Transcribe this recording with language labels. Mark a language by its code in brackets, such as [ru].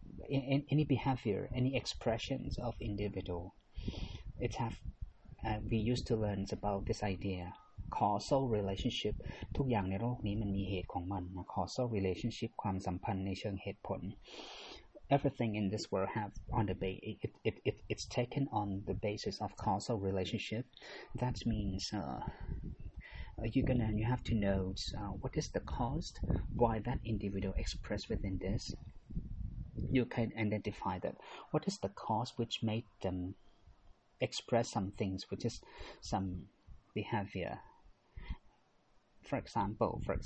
[en] Any behavior, any expressions of individual, it have we used to learn about this idea, causal relationship. [th] ทุกอย่างในโลกนี้มันมีเหตุของมันนะ causal relationship ความสัมพันธ์ในเชิงเหตุผล [en] Everything in this world have on the base. It's taken on the basis of causal relationship. That means you have to know what is the cause, why that individual expressed within this. You can identify that. What is the cause which made them express some things, which is some behavior. For example.